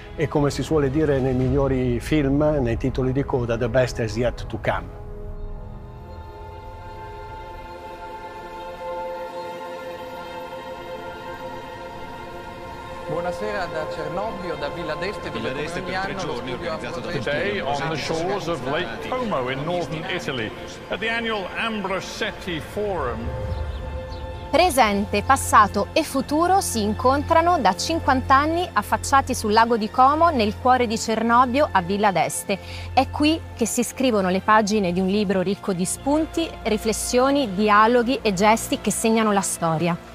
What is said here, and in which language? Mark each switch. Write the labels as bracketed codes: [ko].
[it] E come si suole dire nei migliori film, nei titoli di coda, [en] the best is yet to come. [it] Buonasera da Cernobbio, da Villa d'Este. Villa d'Este per tre giorni organizzato da [en] Today on the shores of Lake Como in northern Italy at the annual Ambrosetti Forum. [it] Presente, passato e futuro si incontrano da 50 anni affacciati sul lago di Como, nel cuore di Cernobbio, a Villa d'Este. È qui che si scrivono le pagine di un libro ricco di spunti, riflessioni, dialoghi e gesti che segnano la storia.